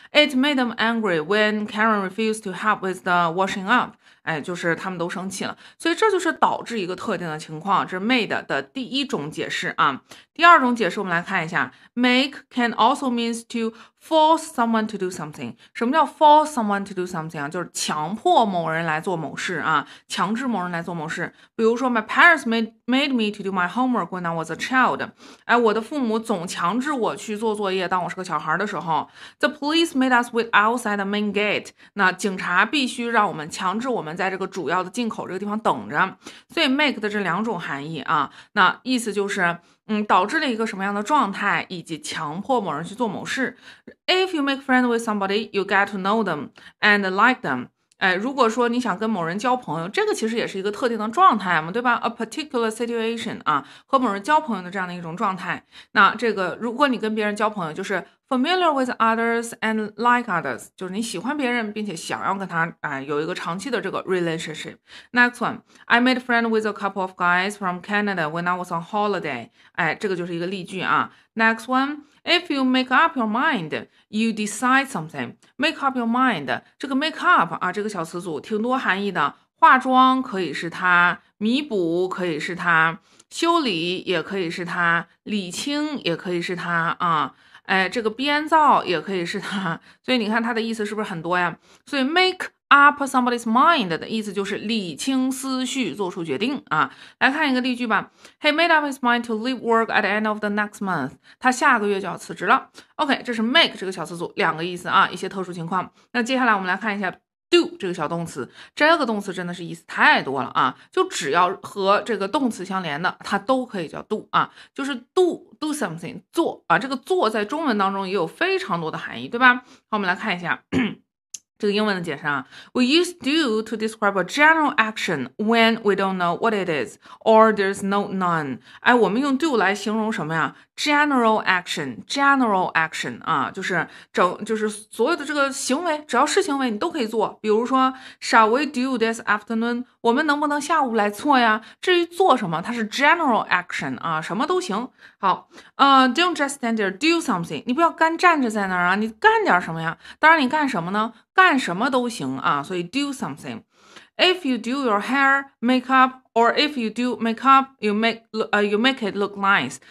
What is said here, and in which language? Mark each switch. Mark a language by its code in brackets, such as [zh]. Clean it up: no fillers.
[en] It made them angry when Karen refused to help with the washing up。 [zh] 哎，就是他们都生气了，所以这就是导致一个特定的情况，这是 made 的第一种解释啊。第二种解释，我们来看一下， [en] make can also means to force someone to do something。 [zh] 什么叫 [en] force someone to do something [zh] 啊？就是强迫某人来做某事啊，强制某人来做某事。 [en] 比如说，my parents made me to do my homework when I was a child。 [zh] 哎，我的父母总强制我去做作业，当我是个小孩的时候。 [en] The police made us wait outside the main gate。 [zh] 那警察必须让我们强制我们在这个主要的进口这个地方等着。所以 make 的这两种含义啊，那意思就是。导致了一个什么样的状态，以及强迫某人去做某事。 [en] If you make friends with somebody, you get to know them and like them。 [zh] 哎，如果说你想跟某人交朋友，这个其实也是一个特定的状态嘛，对吧？ [en] A particular situation [zh] 啊，和某人交朋友的这样的一种状态。那这个，如果你跟别人交朋友，就是 [en] familiar with others and like others， [zh] 就是你喜欢别人，并且想要跟他有一个长期的这个 relationship。 [en] Next one，I made friends with a couple of guys from Canada when I was on holiday。 [zh] 哎，这个就是一个例句啊。 [en] Next one，if you make up your mind，you decide something。 Make up your mind， [zh] 这个 make up 啊，这个小词组挺多含义的。化妆可以是它，弥补可以是它，修理也可以是它，理清也可以是它啊。哎，这个编造也可以是它，所以你看它的意思是不是很多呀？所以 [en] make up somebody's mind [zh] 的意思就是理清思绪，做出决定啊。来看一个例句吧， [en] He made up his mind to leave work at the end of the next month。 [zh] 他下个月就要辞职了。OK，这是 make 这个小词组两个意思啊，一些特殊情况。那接下来我们来看一下 do 这个小动词，这个动词真的是意思太多了啊，就只要和这个动词相连的，它都可以叫 do 啊，就是 do。 Do something，做啊，这个做在中文当中也有非常多的含义，对吧？好，我们来看一下这个英文的解释啊。 [en] We use do to describe a general action when we don't know what it is or there's no none。 [zh] 哎，我们用 do 来形容什么呀？ general action, general action 啊，就是所有的这个行为，只要是行为你都可以做。比如说 [en] ，shall we do this afternoon？ [zh] 我们能不能下午来做呀？至于做什么，它是 general action 啊，什么都行。 [en] 好，don't just stand there, do something。 [zh] 你不要干站着在那儿啊，你干点什么呀？当然，你干什么呢？干什么都行啊，所以 do something。 [en] If you do your hair, makeup, or if you do makeup, you make it look nice.